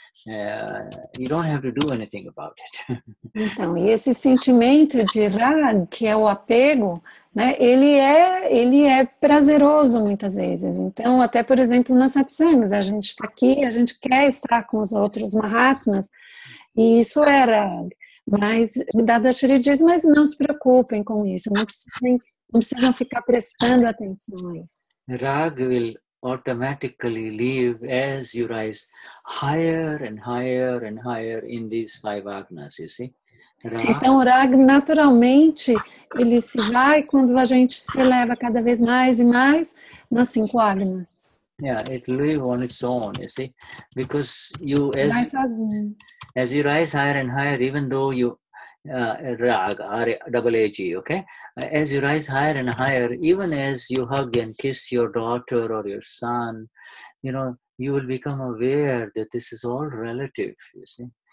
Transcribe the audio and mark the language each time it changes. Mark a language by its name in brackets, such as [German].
[English] You don't have to do anything about it. [Portuguese] Então, e esse sentimento de rag, que é o apego, né, ele é prazeroso muitas vezes. Então, até por exemplo, nas satsangs, a gente está aqui, a gente quer estar com os outros Mahatmas, e isso é rag. Mas Dadashri diz, mas não se preocupem com isso, não precisam ficar prestando atenção a isso. [English] Rag will automatically leave as you rise higher and higher and higher in these five agnas, you see? Rag. [Portuguese] Então, rag naturalmente, ele se vai quando a gente se eleva cada vez mais e mais nas cinco agnas. [English] Yeah, it lives on its own, you see? Because you, as you rise higher and higher, even though you, rag, R-A-G, okay? As you rise higher and higher, even as you hug and kiss your daughter or your son, you know, you will become aware that this is all relative, you see?